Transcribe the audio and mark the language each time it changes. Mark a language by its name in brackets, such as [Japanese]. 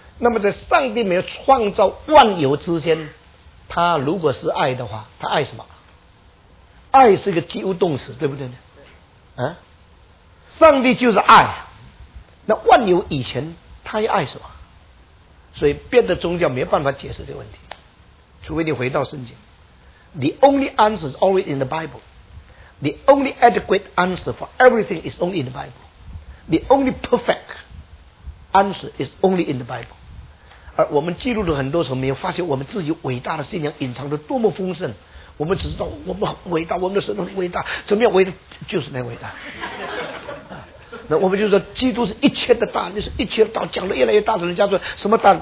[Chinese] 那么在上帝没有创造万有之前，他如果是爱的话，他爱什么？爱是一个及物动词，对不对呢？上帝就是爱，那万有以前他也爱什么？所以别的宗教没办法解释这个问题，除非你回到圣经。 [English] The only answer is always in the Bible. The only adequate answer for everything is only in the Bible. The only perfect answer is only in the Bible. [Chinese] 而我们记录了很多时候没有发现我们自己伟大的信仰隐藏的多么丰盛，我们只知道我们很伟大，我们的神很伟大，怎么样伟大？就是那伟大。那我们就说基督是一切的大，就是一切的大，讲得越来越大，人家说什么大？